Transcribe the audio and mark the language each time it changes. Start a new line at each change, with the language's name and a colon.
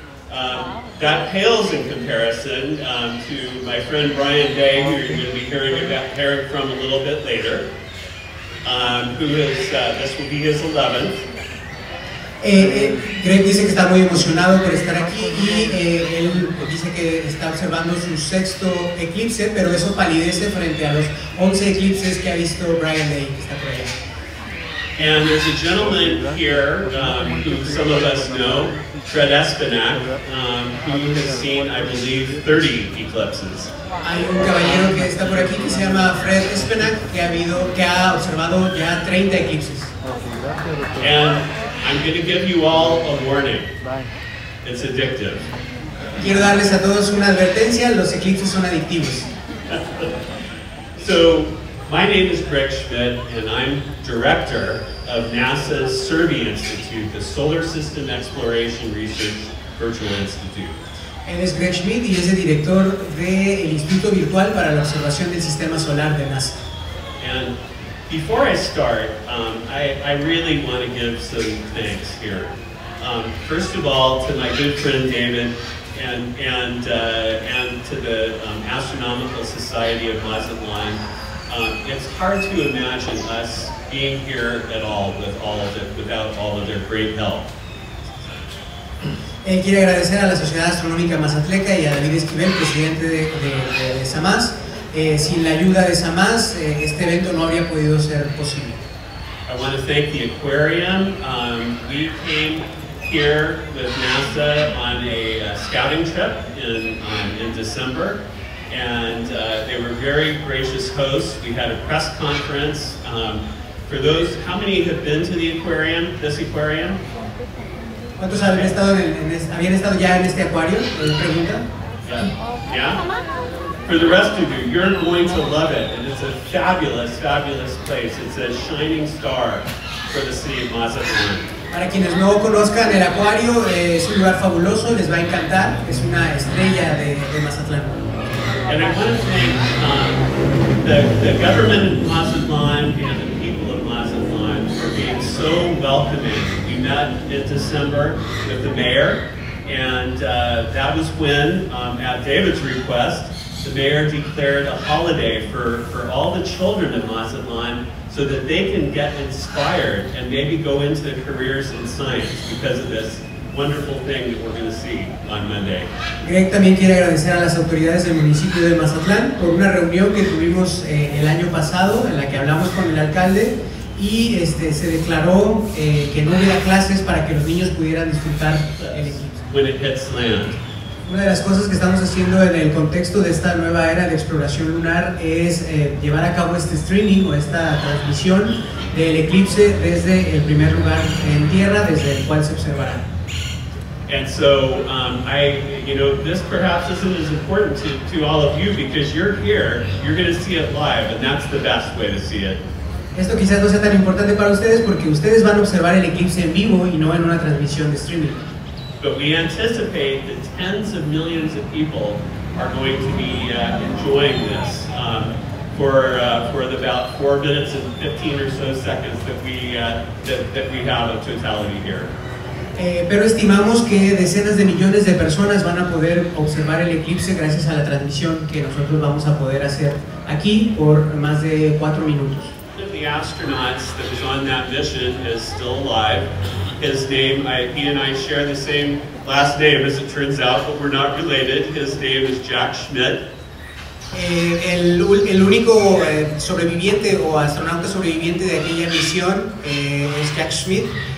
English: That pales in comparison to my friend Brian Day, who you're going to be hearing from a little bit later. This will be his 11th.
Spanish: Greg dice que está muy emocionado por estar aquí y él dice que está observando su sexto eclipse, pero eso palidece frente a los 11 eclipses que ha visto Brian Day, que está por allá.
English: And there's a gentleman here who some of us know, Fred Espinac, who has seen, I believe, 30 eclipses.
Spanish: Hay un caballero que está por aquí que se llama Fred Espinac, que ha observado ya 30 eclipses.
English: And I'm going to give you all a warning. It's addictive.
Spanish: Quiero darles a todos una advertencia, los eclipses son adictivos.
English: So, my name is Greg Schmidt, and I'm director of NASA's CERVI Institute, the Solar System Exploration Research Virtual Institute.
Spanish: Él es Greg Schmidt y es el director del Instituto Virtual para la Observación del Sistema Solar de NASA.
English: And before I start, I really want to give some thanks here. First of all, to my good friend David, and to the Astronomical Society of Mazatlan. It's hard to imagine us being here at all without all of their great help.
Spanish: Quiero agradecer a la Sociedad Astronómica Mazatleca y a David Esquivel, presidente de SAMAS. Sin la ayuda de SAMAS, este evento no habría podido ser posible.
English: I want to thank the Aquarium. We came here with NASA on a scouting trip in December. And they were very gracious hosts. We had a press conference. For those, how many have been to the aquarium, this aquarium?
Spanish: ¿Cuántos habían estado habían estado ya en este acuario? Pregunta. Yeah.
English: For the rest of you, you're going to love it. And it's a fabulous, fabulous place. It's a shining star for the city of Mazatlan.
Spanish: Para quienes no conozcan el acuario, es un lugar fabuloso, les va a encantar. Es una estrella de Mazatlán.
English: And I want to thank the government of Mazatlan and the people of Mazatlan for being so welcoming. We met in December with the mayor, and that was when, at David's request, the mayor declared a holiday for all the children of Mazatlan so that they can get inspired and maybe go into the careers in science because of this wonderful thing that we're going to see on Monday.
Spanish: Greg también quiere agradecer a las autoridades del municipio de Mazatlán por una reunión que tuvimos el año pasado en la que hablamos con el alcalde y se declaró que no hubiera clases para que los niños pudieran disfrutar el eclipse. Una de las cosas que estamos haciendo en el contexto de esta nueva era de exploración lunar es llevar a cabo este streaming o esta transmisión del eclipse desde el primer lugar en tierra desde el cual se observará.
English: And so, this perhaps isn't as important to all of you because you're here, you're going to see it live, and that's the best way to see it.
Spanish: Esto quizás no sea tan importante para ustedes porque ustedes van a observar el eclipse en vivo y no en una transmisión de streaming.
English: But we anticipate that tens of millions of people are going to be enjoying this for the about 4 minutes and 15 or so seconds that we have of totality here.
Spanish: Pero estimamos que decenas de millones de personas van a poder observar el eclipse gracias a la transmisión que nosotros vamos a poder hacer aquí por más de 4 minutos.
English: The astronaut that was on that mission is still alive. His name, he and I share the same last name as it turns out, but we're not related. His name is Jack Schmidt.
Spanish: El único sobreviviente o astronauta sobreviviente de aquella misión es Jack Schmidt.